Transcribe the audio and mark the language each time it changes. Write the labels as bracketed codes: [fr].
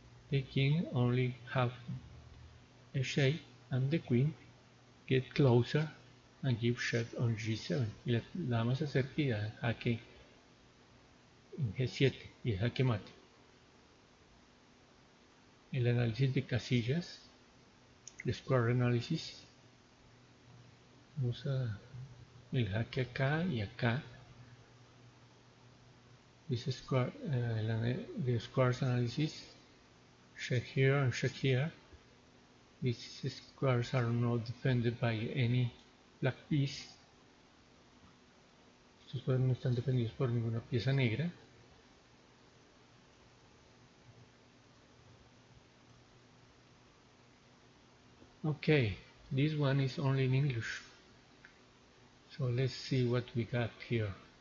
[en] The king only have a shape and the queen get closer and give shape on g7. [es] Y la dama se acerca y da jaque en g7 y es jaque mate. El análisis de casillas, el square analysis. Usa el jaque acá y acá. Dice el square analysis. [en] Check here and check here. These squares are not defended by any black piece. [es] Estos cuadros no están defendidos por ninguna pieza negra. [en] Okay, this one is only in English. So let's see what we got here.